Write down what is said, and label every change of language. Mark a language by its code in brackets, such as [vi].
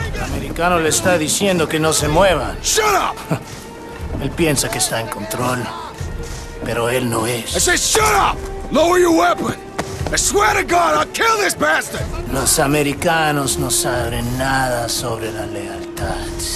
[es] El americano le está diciendo que no se muevan. [en] Shut up! [es] Él piensa que está en control, pero él no es. [en] I said shut up! Lower your weapon! I swear to God, I'll kill this bastard! [es] Los americanos no saben nada sobre la lealtad.